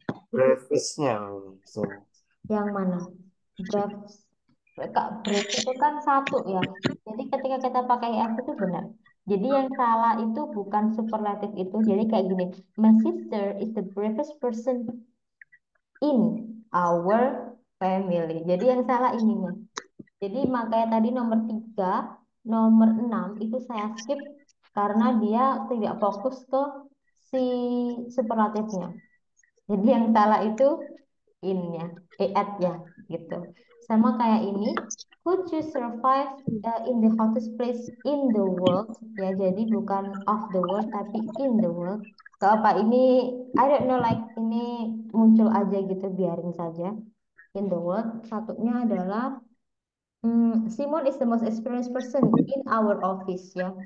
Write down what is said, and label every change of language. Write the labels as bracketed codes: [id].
[id] Brevisnya, so. Yang mana? Brief. Brief itu kan satu ya. Jadi ketika kita pakai F itu benar. Jadi yang salah itu bukan superlatif itu. Jadi kayak gini. [en] My sister is the bravest person in our family. [id] Jadi yang salah ininya. Jadi makanya tadi nomor 3, nomor 6 itu saya skip karena dia tidak fokus ke si superlatifnya. Jadi yang salah itu in-nya, at ya gitu. Sama kayak ini, [en] could you survive in the hottest place in the world? [id] Ya, jadi bukan of the world tapi in the world. Gak apa, ini [en] I don't know, like [id] ini muncul aja gitu, biarin saja. [en] In the world, [id] satunya adalah [en] Simon is the most experienced person in our office ya.